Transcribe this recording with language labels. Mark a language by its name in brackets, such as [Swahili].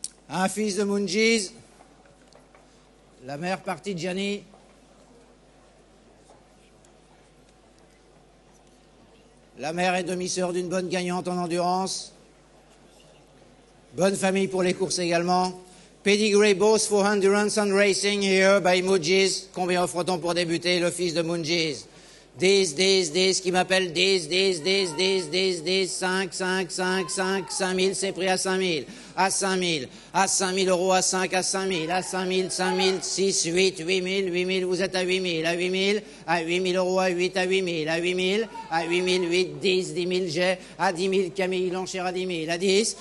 [French] Un fils de Moonjiz. La mère partie de Gianni. La mère est demi-sœur d'une bonne gagnante en endurance. Bonne famille pour les courses également. [English] Pedigree both for endurance and racing here by Moonjiz. [French] Combien offre-t-on pour débuter le fils de Moonjiz? This, qui m'appelle this, 5, 5, 5, 5, 5 000, c'est pris à 5 000, à 5 000, à 5 000 euros, à 5, à 5 000, à 5 000, 5 000, 6, 8, 8 000, 8 000, vous êtes à 8 000, à 8 000, à 8 000 euros, à 8, à 8 000, à 8 000, à 8 000, 8, 10, 10 000, j'ai, à 10 000, Camille, l'enchère à 10 000,